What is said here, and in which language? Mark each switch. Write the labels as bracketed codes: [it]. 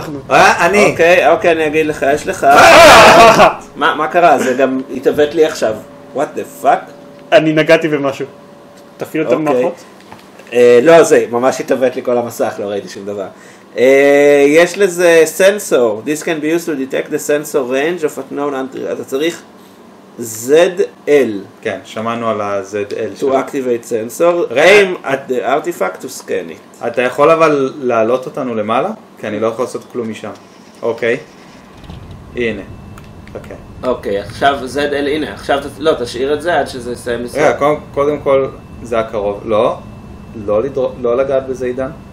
[he] אני. אוקיי, אוקיי, אני אגיד לך, יש לך. מה קרה? זה גם התאבט לי עכשיו. [en] What the fuck? [he] אני נגעתי במשהו. תפעיל אותם מערכות. לא, זה ממש התאבט לי כל המסך, לא ראיתי שום דבר. יש לזה סנסור. [en] This can be used to detect the sensor range of a known entry. [he] אתה צריך ZL. כן, שמענו על ה-ZL. [en] To activate sensor. Aim at the artifact to scan it. [he] אתה יכול אבל להעלות אותנו למעלה? כי אני לא יכול לעשות כלום משם. אוקיי. הנה. אוקיי. אוקיי, עכשיו ZL, הנה. עכשיו, לא, תשאיר את זה עד שזה יסיים מסוים. רגע, קודם כל, זה הקרוב. לא. לא לגעת בזה, עידן.